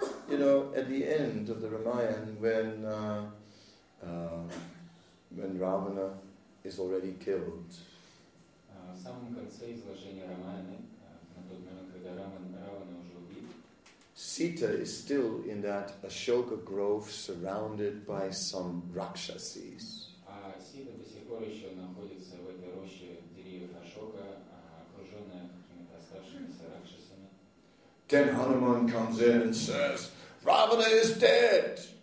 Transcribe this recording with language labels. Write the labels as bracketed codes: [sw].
[en] You know, at the end of the Ramayana, when Ravana is already killed. [ru] В самом конце изложения Рамаяны, на тот момент, когда Равана уже убит, [en] Sita is still in that Ashoka grove surrounded by some Rakshasis. [ru] А Сита до сих пор еще находится в этой роще деревьев Ашока, окруженная какими-то оставшимися Ракшасами. [en] Then Hanuman comes in and says, Ravana is dead!